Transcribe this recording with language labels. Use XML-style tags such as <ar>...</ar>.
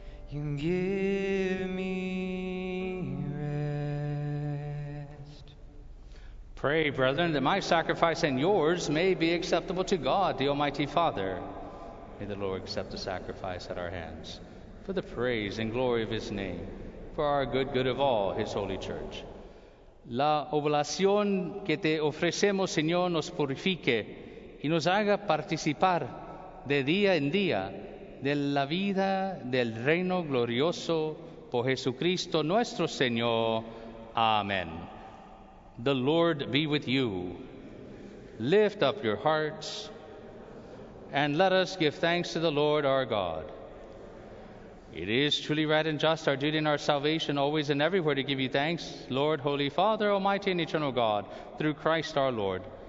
<en>You give me rest. Pray, brethren, that my sacrifice and yours may be acceptable to God, the Almighty Father. May the Lord accept the sacrifice at our hands for the praise and glory of his name, for our good, good of all his holy church.</en> <es>La oblación que te ofrecemos, Señor, nos purifique y nos haga participar de día en día de la vida del reino glorioso por Jesucristo nuestro Señor.</es> <en>Amen. The Lord be with you. Lift up your hearts and let us give thanks to the Lord our God. It is truly right and just, our duty and our salvation, always and everywhere to give you thanks, Lord, Holy Father, Almighty and Eternal God, through Christ our Lord.</en>